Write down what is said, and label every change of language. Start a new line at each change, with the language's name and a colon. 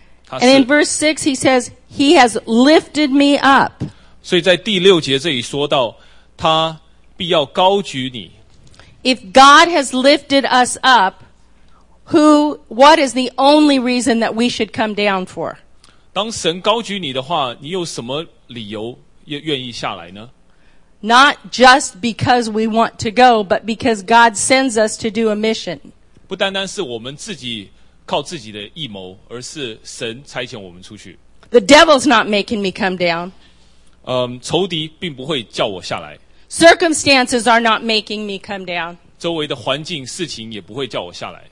English: And in verse 6 he says, He has lifted me up.
Chinese: 所以在第六节这里说到他必要高举你。
English: If God has lifted us up, what is the only reason that we should come down for?
Chinese: 当神高举你的话你有什么理由愿意下来呢?
English: Not just because we want to go, but because God sends us to do a mission.
Chinese: 不单单是我们自己靠自己的意谋，而是神差遣我们出去。
English: The devil's not making me come down.
Chinese: 仇敌并不会叫我下来。
English: Circumstances are not making me come down.
Chinese: 周围的环境事情也不会叫我下来。